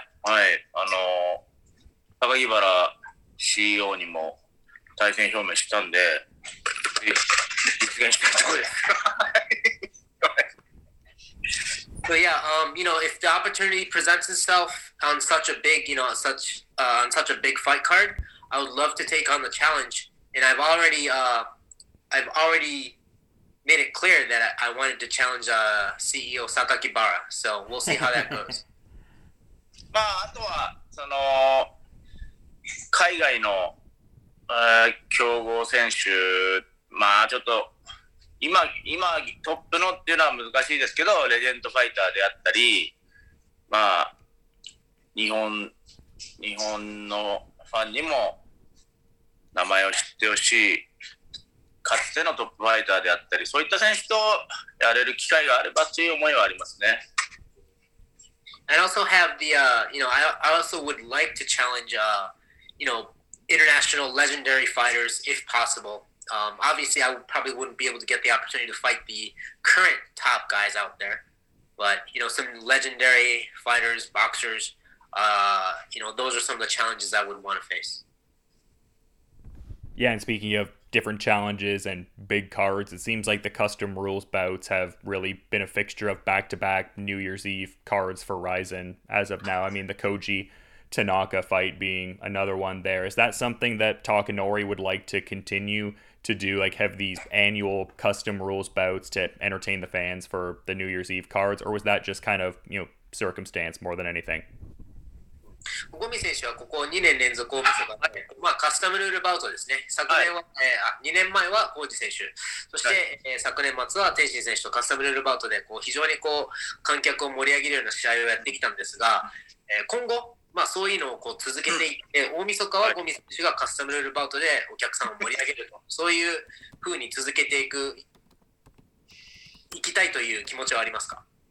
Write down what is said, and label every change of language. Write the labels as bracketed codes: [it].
[ja] はい、高木原 CEO にも対戦表明したんで、実現してみたいです。 [en] So yeah, you know, if the opportunity presents itself on such a big, you know, such, on such a big fight card, I would love to take on the challenge. And I've already made it clear that I wanted to challenge CEO Sakaki Bara. So we'll see how that goes. [ja] まあ、あとは、その、海外の、強豪選手、まあちょっと今トップのっていうのは難しいですけど、レジェンドファイターであったり、まあ日本のファンにも名前を知ってほしい、かつてのトップファイターであったり、そういった選手とやれる機会があればという思いはありますね。 [en] I also have the, you know, I also would like to challenge, you know, international legendary fighters, if possible. Obviously, I probably wouldn't be able to get the opportunity to fight the current top guys out there. But, you know, some legendary fighters, boxers, you know, those are some of the challenges I would want to face. Yeah, and speaking of different challenges and big cards, it seems like the custom rules bouts have really been a fixture of back-to-back New Year's Eve cards for Ryzen as of now. I mean, the Koji Tanaka fight being another one there. Is that something that Takanori would like to continue to do, like have these annual custom rules bouts to entertain the fans for the New Year's Eve cards, or was that just kind of, you know, circumstance more than anything? [ja] Gomi 選手はここ2年連続を見せたので、まあ、カスタムルールバウトですね。昨年は、2年前はコージ選手、そして、昨年末は天心選手とカスタムルールバウトでこう非常にこう観客を盛り上げるような試合をやってきたんですが、今後まあ、そういうのをこう続けていって、大晦日はゴミ選手がカスタムルールバウトでお客さんを盛り上げると、そういうふうに続けていく、いきたいという気持ちはありますか？